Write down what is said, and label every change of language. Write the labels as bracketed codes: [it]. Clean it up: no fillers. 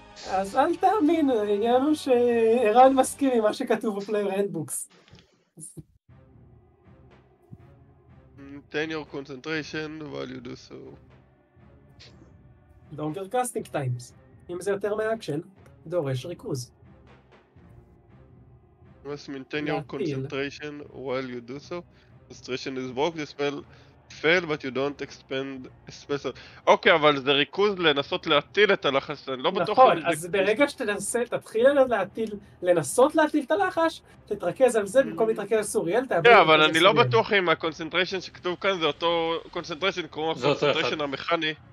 [he] אז אל תאמין, העניין הוא שאירן מסכים עם מה שכתוב בפלייר הנדבוקס. [en] Maintain your concentration while you do so. Longer casting times. [he] אם זה יותר מאקשן, דורש ריכוז. [en] Must maintain your concentration while you do so. Concentration is broke, the spell fail, but you don't expend a spell slot. [he] אוקיי, אבל זה ריכוז לנסות להטיל את הלחש. אני לא בטוח... נכון, אז ברגע שתתחיל לנסות להטיל את הלחש, תתרכז על זה במקום להתרכז על סוריאל, תאבד... כן, אבל אני לא בטוח אם הקונצנטריישן שכתוב כאן זה אותו קונצנטריישן, קוראים לך קונצנטריישן המכני.